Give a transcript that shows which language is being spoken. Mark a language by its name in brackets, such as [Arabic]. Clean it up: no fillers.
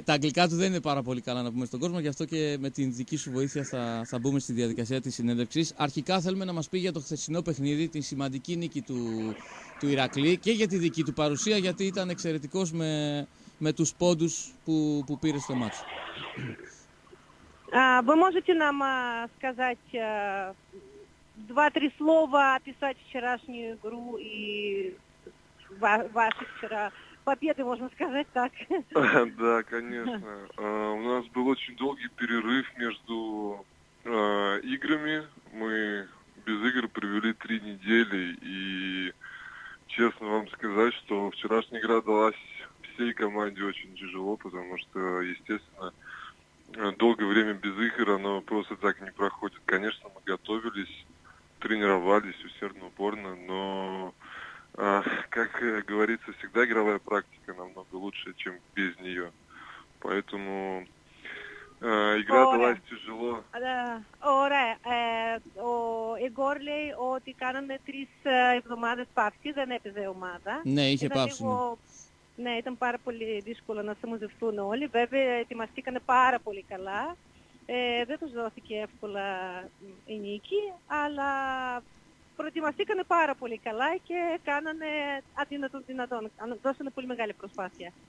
[Greek] Τα αγγλικά του δεν είναι πάρα πολύ καλά να πούμε στον κόσμο, γι' αυτό και με την δική σου βοήθεια θα μπούμε στη διαδικασία της συνέντευξης. Αρχικά θέλουμε να μας πει για το χθεσινό παιχνίδι, την σημαντική νίκη του Ηρακλή και για τη δική του παρουσία, γιατί ήταν εξαιρετικός με τους πόντους που πήρε στο μάτσο. [Russian] Вы можете нам сказать... Два-три слова описать вчерашнюю игру и ваши вчера победы, можно сказать так. Да, конечно. У нас был очень долгий перерыв между играми. Мы без игр провели 3 недели. И честно вам сказать, что вчерашняя игра далась всей команде очень тяжело, потому что, естественно, долгое время без игр, оно просто так не проходит. Конечно, мы готовились. Тренировались усердно, упорно, но, как говорится, всегда игровая практика намного лучше, чем без нее. Поэтому игра далась тяжело. [Greek] Ωραία. Ο Εγκόρ λέει ότι κάνανε 3 εβδομάδες παύση, δεν έπαιζε ομάδα. Ναι, είχε παύση. Ναι, ήταν πάρα πολύ δύσκολο να συμμαζευτούν όλοι. Βέβαια, ετοιμαστήκανε πάρα πολύ καλά. Δεν τους δόθηκε εύκολα η νίκη, αλλά προετοιμαστήκανε πάρα πολύ καλά και κάνανε αδύνατο δυνατόν, δώσανε πολύ μεγάλη προσπάθεια.